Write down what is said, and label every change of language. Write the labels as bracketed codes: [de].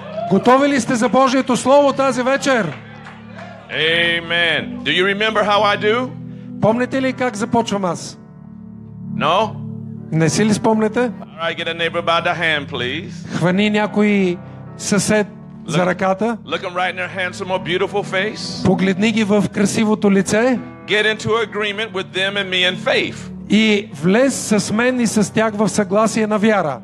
[bg] Готови ли сте за Божието слово тази вечер? [en] Amen. Do you remember how I do? [bg] Помните ли как започвам аз? [en] No? [bg] Не си ли спомнете? [en] All right, get a neighbor by the hand, please. [bg] Хвани някой съсед за ръката. [en] Look him right in their handsome or beautiful face. [bg] Погледни ги в красивото лице. [en] Get into agreement with them and me in faith. [bg] И влез с мен и с тях в съгласие на вяра.